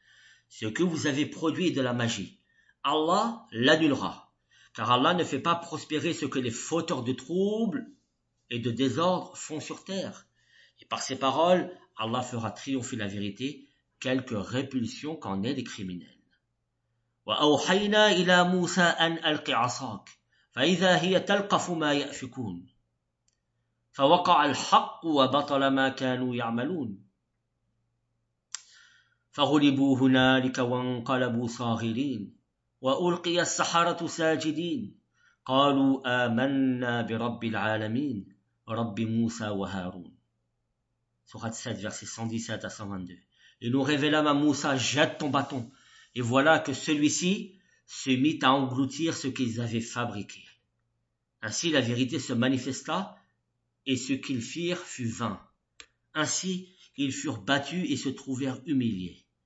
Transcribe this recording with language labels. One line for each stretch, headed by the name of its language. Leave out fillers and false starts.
French: « Ce que vous avez produit de la magie, Allah l'annulera, car Allah ne fait pas prospérer ce que les fauteurs de troubles et de désordre font sur terre. Et par ses paroles, Allah fera triompher la vérité, quelque répulsion qu'en aient les criminels.
Arabic: وَأَوْحَيْنَا إِلَى مُوسَىٰ أَنْ أَلْقِ عَصَاكَ فَإِذَا هِيَ تَلْقَفُ مَا يَأْفِكُونَ فَوَقَعَ الْحَقُّ وَبَطَلَ مَا كَانُوا يَعْمَلُونَ فغلبوا هنالك وانقلبوا صاغرين وألقي السحرة ساجدين قالوا آمنا برب العالمين رب موسى وهارون.
French: Sourate 7, versets 117 à 122. Et nous révélâmes à Moussa, jette ton bâton. Et voilà que celui-ci se mit à engloutir ce qu'ils avaient fabriqué. Ainsi la vérité se manifesta et ce qu'ils firent fut vain. Ainsi ils furent battus et se trouvèrent humiliés.